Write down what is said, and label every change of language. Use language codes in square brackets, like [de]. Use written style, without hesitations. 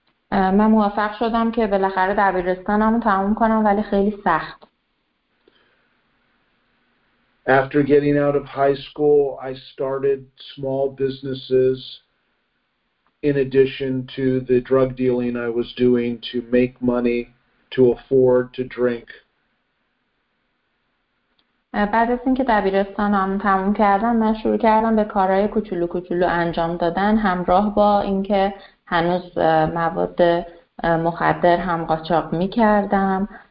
[fa] من موفق شدم که بالاخره دبیرستانم رو تموم کنم ولی خیلی سخت. [en] After getting out of high school, I started small businesses in addition to the drug dealing I was doing to make money to afford to drink. [fa] بعد از اینکه دبیرستانم تموم کردم من شروع کردم به کارهای کوچولو کوچولو انجام دادن همراه با اینکه هنوز مواد مخدر هم قاچاق می‌کردم.